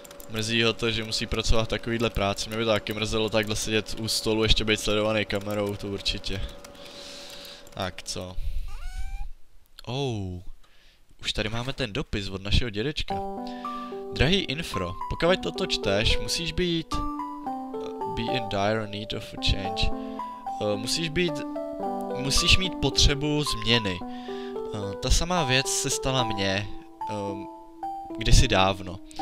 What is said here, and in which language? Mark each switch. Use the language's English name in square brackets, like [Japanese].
[Czech] Mrzí ho to, že musí pracovat takovýhle práci, mě by to taky mrzelo takhle sedět u stolu, ještě být sledovaný kamerou, to určitě. Tak co? Už tady máme ten dopis od našeho dědečka. Drahý Infro, pokud toto čteš, musíš být... [English] Be in dire need of a change. [Czech] Musíš mít potřebu změny. Ta samá věc se stala mně, kdysi dávno.